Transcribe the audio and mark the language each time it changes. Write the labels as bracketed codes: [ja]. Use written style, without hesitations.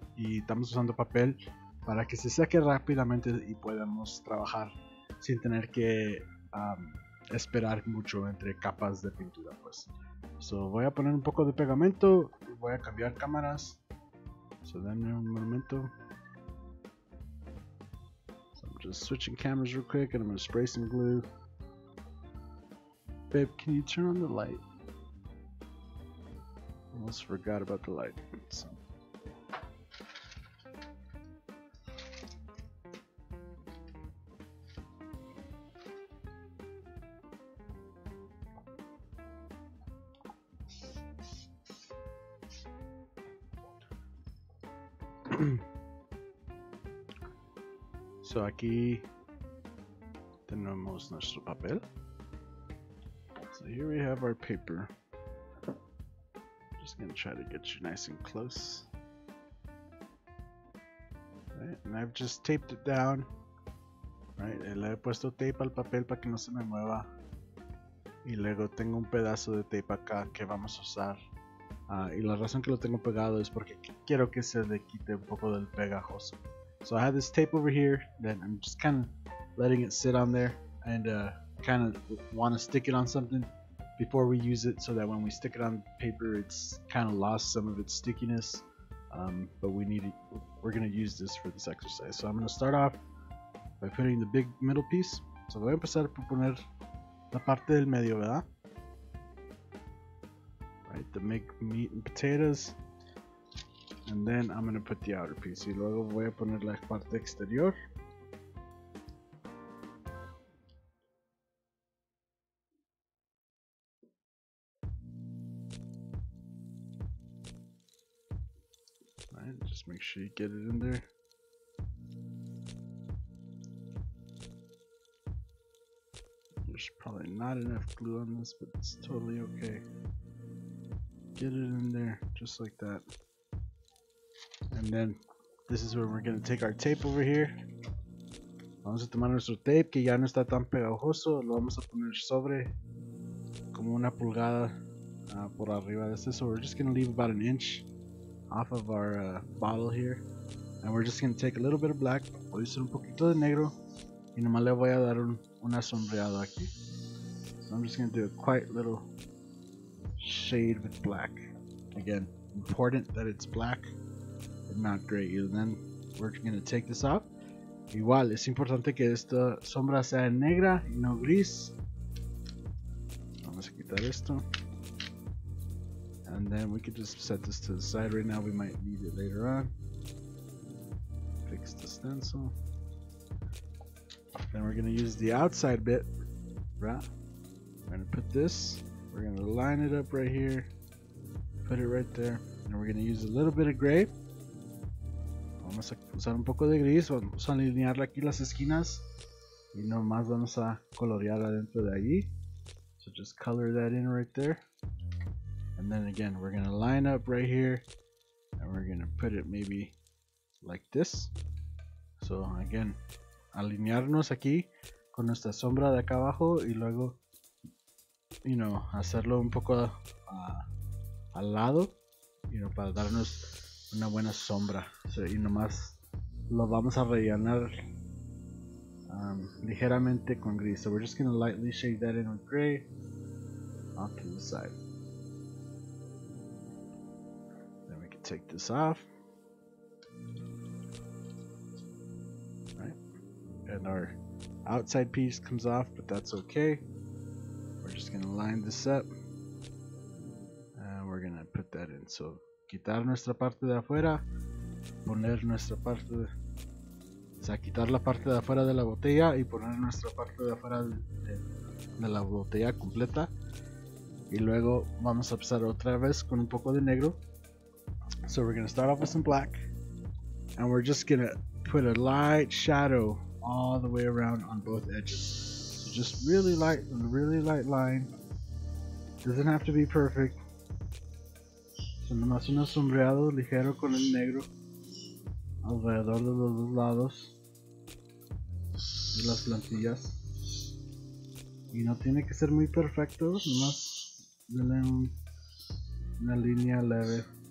[es] Y estamos usando papel para que se seque rápidamente y podamos trabajar sin tener que esperar mucho entre capas de pintura, pues. So, voy a poner un poco de pegamento y voy a cambiar cámaras. So denme un momento. [en] So I'm just switching cameras real quick, and I'm gonna spray some glue. Babe, can you turn on the light? Almost forgot about the light. So. [es] So aquí tenemos nuestro papel. [en] So here we have our paper. I'm just gonna try to get you nice and close. Right, and I've just taped it down. [es] Right, y le he puesto tape al papel para que no se me mueva. Y luego tengo un pedazo de tape acá que vamos a usar. Y la razón que lo tengo pegado es porque quiero que se le quite un poco del pegajoso. [en] So I have this tape over here that I'm just kind of letting it sit on there, and kind of want to stick it on something before we use it, so that when we stick it on paper, it's kind of lost some of its stickiness. We're going to use this for this exercise. So I'm going to start off by putting the big middle piece. [es] So voy a empezar por poner la parte del medio, ¿verdad? [en] Right, the make meat and potatoes. And then I'm going to put the outer piece. [es] Y luego voy a poner la parte exterior. [en] Just make sure you get it in there. There's probably not enough glue on this, but it's totally okay. Get it in there, just like that. And then, this is where we're going to take our tape over here. Vamos a tomar nuestro tape, que ya no está tan pegajoso. Lo vamos a poner sobre, como una pulgada por arriba de este. So we're just going to leave about an inch off of our bottle here, and we're just going to take a little bit of black, [es] voy a hacer un poquito de negro, y nomás le voy a dar una sombreada aquí. [en] So I'm just going to do a quite little shade with black. Again, important that it's black and not gray. And then we're going to take this off. [es] Igual, es importante que esta sombra sea negra y no gris. Vamos a quitar esto. [en] And then we could just set this to the side right now. We might need it later on. Fix the stencil. Then we're going to use the outside bit. Right? We're going to put this. We're going to line it up right here. Put it right there. And we're going to use a little bit of gray. [es] Vamos a usar un poco de gris. Vamos a alinear aquí las esquinas. Y nomás vamos a colorear adentro de allí. [en] So just color that in right there. And then again, we're going to line up right here, and we're going to put it maybe like this. [es] So again, alinearnos aquí con nuestra sombra de acá abajo, y luego, [en] you know, [es] hacerlo un poco al lado, you know, para darnos una buena sombra. So, y nomás lo vamos a rellenar ligeramente con gris. [en] So we're just going to lightly shade that in with gray off to the side. Take this off, right? And our outside piece comes off, but that's okay. We're just gonna line this up, and we're gonna put that in. [es] So, quitar nuestra parte de afuera, poner nuestra parte, o sea, quitar la parte de afuera de la botella y poner nuestra parte de afuera de la botella completa, y luego vamos a empezar otra vez con un poco de negro. [en] So we're going to start off with some black, and we're just going to put a light shadow all the way around on both edges. So just really light, a really light line. Doesn't have to be perfect. [es] So nomás un sombreado ligero con el negro alrededor de los dos lados de las plantillas. Y no tiene que ser muy perfecto, nomás denle una línea leve.